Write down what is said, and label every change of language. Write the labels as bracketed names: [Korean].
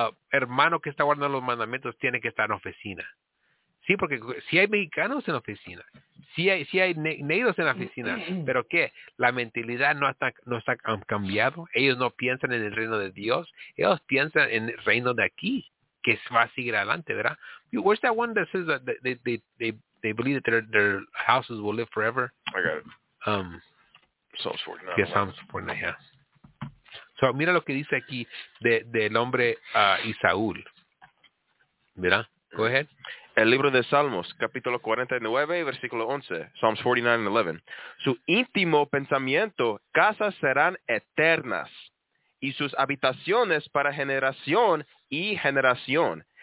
[Spanish] hermano que está guardando los mandamientos tiene que estar en oficina. Sí, porque si hay mexicanos en oficina, si hay negros en oficina, pero ¿qué? La mentalidad no está cambiado. Ellos no piensan en el reino de Dios. Ellos piensan en el reino de aquí, que va a seguir adelante, ¿verdad? [English] Where's that one that says that they believe that their houses will live forever? I got it. Psalms 49. Yeah, Psalms 49, yeah. [Spanish] So, mira lo que dice aquí del hombre Isaúl. Mira, [English] go ahead. [Spanish] El libro de Salmos, capítulo 49, versículo 11. [English] Psalms 49:11. [Spanish] Su íntimo pensamiento, casas serán eternas, y sus habitaciones para generación y generación.